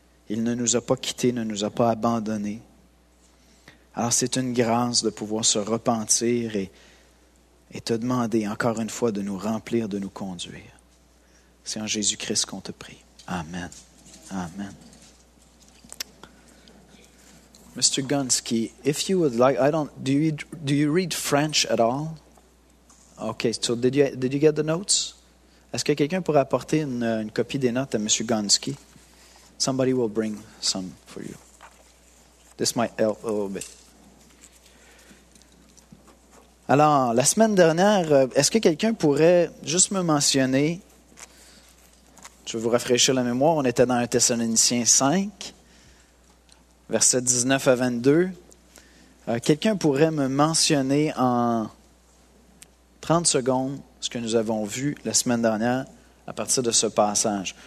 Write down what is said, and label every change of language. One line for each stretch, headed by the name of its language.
French: Il ne nous a pas quittés, ne nous a pas abandonnés. Alors c'est une grâce de pouvoir se repentir et te demander encore une fois de nous remplir, de nous conduire. C'est en Jésus-Christ qu'on te prie. Amen. Amen.
English: Mr. Gunsky, if you would like, do you read French at all? Okay, so did you get the notes?
French: Est-ce que quelqu'un pourrait apporter une copie des notes à Monsieur Gonski?
English: Somebody will bring some for you. This might help a little bit.
French: Alors, la semaine dernière, est-ce que quelqu'un pourrait juste me mentionner, je vais vous rafraîchir la mémoire, on était dans 1 Thessaloniciens 5, versets 19 à 22. Quelqu'un pourrait me mentionner en 30 secondes, ce que nous avons vu la semaine dernière à partir de ce passage.